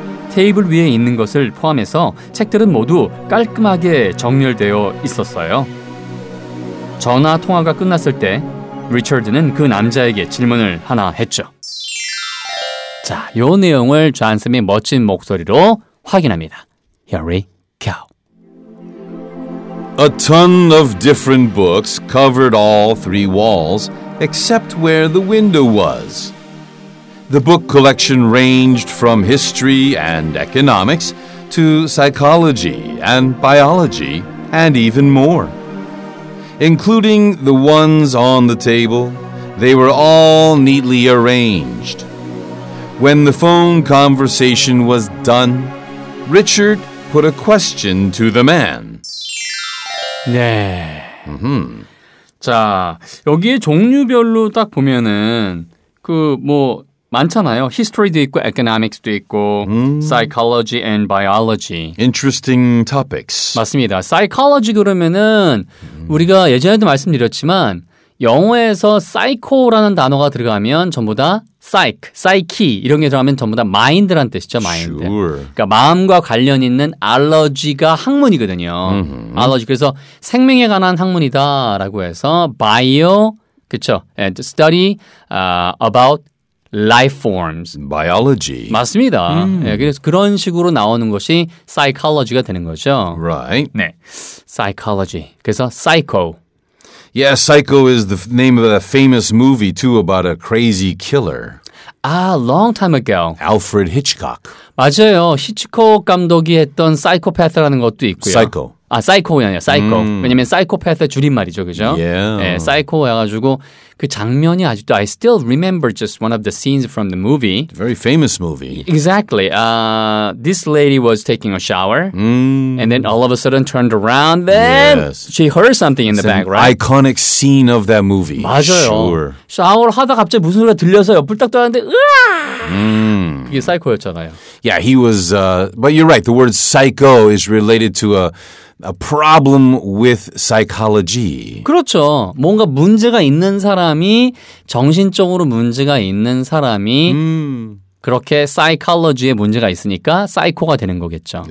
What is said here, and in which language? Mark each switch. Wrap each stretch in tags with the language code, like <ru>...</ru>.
<ko>테이블 위에 있는 것을 포함해서 책들은 모두 깔끔하게 정렬되어 있었어요. 전화 통화가 끝났을 때 리처드는 그 남자에게 질문을 하나 했죠. 자, 요 내용을 존슨의 멋진 목소리로 확인합니다.</ko> <en>Here we go. A ton of different books covered all three walls except where the window was. The book collection ranged from history and economics to psychology and biology and even more. Including the ones on the table, they were all neatly arranged. When the phone conversation was done, Richard put a question to the man.</en> <ko>네. Mm-hmm. 자, 여기에 종류별로 딱 보면은 그 뭐 많잖아요.</ko> <en>History도 있고, economics도 있고, psychology and biology. Interesting topics.</en> <ko>맞습니다. Psychology 그러면은 우리가 예전에도 말씀드렸지만 영어에서 psycho라는 단어가 들어가면 전부 다 psych, psyche 이런 게 들어가면 전부 다 mind란 뜻이죠. Mind.</ko> <en>Sure.</en> <ko>그러니까 마음과 관련 있는 allergy가 학문이거든요. Mm-hmm.</ko> <en>Allergy.</en> <ko>그래서 생명에 관한 학문이다라고 해서 bio, 그렇죠.</ko> <en>And study about life forms. Biology.</en> <ko>맞습니다. 예, 그래서 그런 식으로 나오는 것이 psychology가 되는 거죠.</ko> <en>Right.</en> <ko>네. Psychology. 그래서 psycho.</ko> <en>Yeah, psycho is the name of a famous movie too about a crazy killer. Ah, long time ago. Alfred Hitchcock.</en> <ko>맞아요. 히치콕 감독이 했던 사이코패스라는 것도 있고요.</ko> <en>Psycho.</en> <ko>아, 사이코가 아니라 사이코. 왜냐면 사이코패스의 줄임말이죠. 그죠?</ko> <en>Yeah.</en> <ko>예, 사이코여가지고 그 장면이 아직도</ko> <en>I still remember just one of the scenes from the movie. Very famous movie. Exactly. This lady was taking a shower and then all of a sudden turned around then yes. she heard something in It's the an back, right? Iconic scene of that movie.</en> <ko>맞아요.</ko> <en>Sure.</en> <ko>샤워를 하다 갑자기 무슨 소리가 들려서 옆을 딱 떠났는데 그게 사이코였잖아요.</ko> <en>Yeah, he was but you're right. The word psycho is related to a problem with psychology.</en> <ko>그렇죠. 뭔가 문제가 있는 사람이 정신적으로 문제가 있는 사람이 그렇게 psychology에 문제가 있으니까 psycho가 되는 거겠죠.</ko>